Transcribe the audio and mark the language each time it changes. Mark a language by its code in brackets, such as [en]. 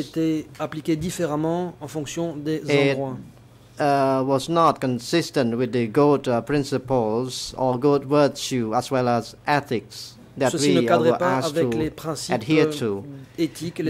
[fr] Les principes étaient appliqués différemment en fonction des endroits. [en] Was not consistent with the good principles or good virtue as well as ethics. That [fr] ceci ne cadrait pas avec les principes éthiques, les